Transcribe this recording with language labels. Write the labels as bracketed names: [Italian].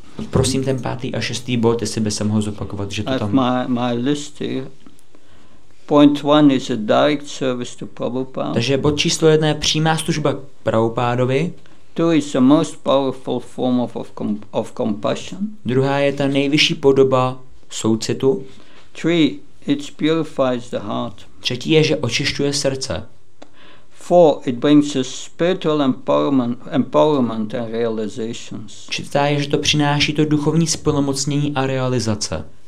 [Czech] Prosím ten pátý a šestý bod, jestli by se mohl zopakovat, že to tam... [English] My list here. Point one is a direct service to Prabhupada. [Czech] Takže bod číslo jedna je přímá služba k Prabhupádovi. [English] Two is the most powerful form of compassion. [Czech] Druhá je ta nejvyšší podoba soucitu. [English] Three, it purifies the heart. [Czech] Třetí je, že očišťuje srdce. [English] 4. It brings us spiritual empowerment and realizations. [Czech] Čtvrtá je, že to přináší to duchovní splnomocnění a realizace.